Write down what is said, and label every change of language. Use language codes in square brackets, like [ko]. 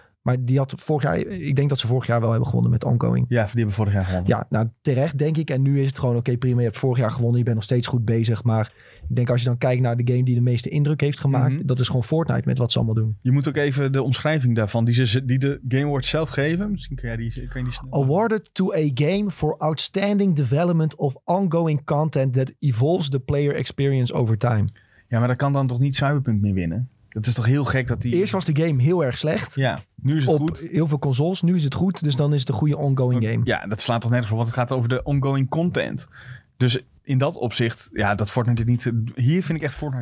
[nl] Maar die had vorig jaar, ik denk dat ze vorig jaar wel hebben gewonnen met ongoing. Ja, die hebben vorig jaar gewonnen. Ja, nou terecht denk ik. En nu is het gewoon oké, prima. Je hebt vorig jaar gewonnen. Je bent nog steeds goed bezig. Maar ik denk als je dan kijkt naar de game die de meeste indruk heeft gemaakt. Mm-hmm. Dat is gewoon Fortnite met wat ze allemaal doen. Je moet ook even de omschrijving daarvan. Die de Game Awards zelf geven. Misschien kun jij die snel. [en] Awarded to a game for outstanding development of ongoing content that evolves the player experience over time. [nl] Ja, maar dat kan dan toch niet Cyberpunk meer winnen? Dat is toch heel gek dat die... Eerst was de game heel erg slecht. Ja, nu is het goed. Op heel veel consoles, nu is het goed. Dus dan is het een goede ongoing game. Ja, dat slaat toch nergens op, want het gaat over de ongoing content. Dus in dat opzicht, ja, dat Fortnite niet... Hier vind ik echt Fortnite...